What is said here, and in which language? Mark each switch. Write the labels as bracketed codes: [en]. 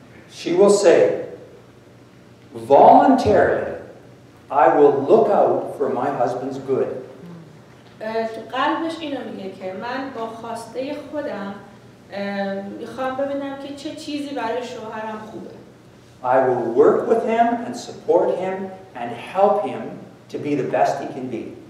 [en] She will say, voluntarily, I will look out for my husband's good. [fa] قلبش اینو میگه که من با خواسته خودم میخوام ببینم که چه چیزی برای شوهرم خوبه. [en] I will work with him and support him and help him to be the best he can be.